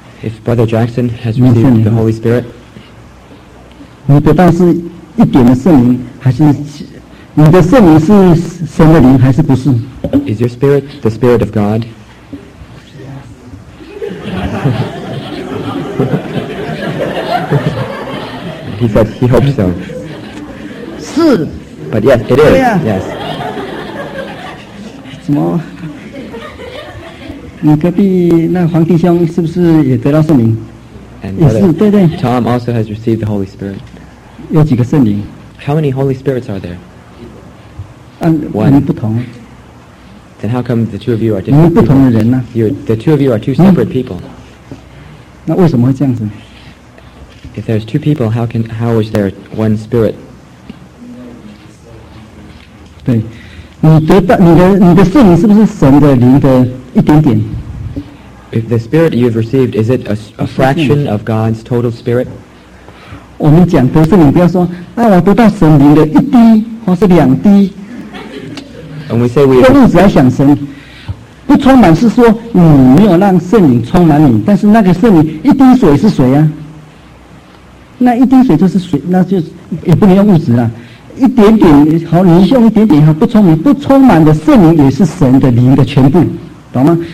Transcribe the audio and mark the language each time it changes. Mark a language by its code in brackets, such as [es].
[en] ？If Brother Jackson has received the Holy Spirit. [zh] 你得到是一点的圣灵还是你的圣灵是神的灵还是不是 [en] Is your spirit the spirit of God? He said he hopes so [zh] 是 [en] But yes, it is、yes. [zh] 怎么你隔壁那黄弟兄是不是也得到圣灵 [en] And brother, [zh] 也是对对 [en] Tom also has received the Holy Spirit [zh] 有几个圣灵 [en] How many Holy Spirits are there? One [zh] 不同 [en] Then how come the two of you are different [zh] 不同的人呢、 [en] The two of you are two separate people [zh] 那为什么会这样子 [en] If there's two people how is there one spirit? [zh] 对 你的圣灵是不是神的灵的一点点 [en] If the spirit you've received is it a fraction of God's total spirit? [zh] 我们讲得圣灵，不要说，哎，我得到神灵的一滴或是两滴。 [en] And we say we [zh] 用物质来想神，不充满是说你没有让圣灵充满你，但是那个圣灵一滴水是水啊，那一滴水就是水，那就也不能用物质啊，一点点好，你用一点点好，不充满，不充满的圣灵也是神的灵的全部，懂吗？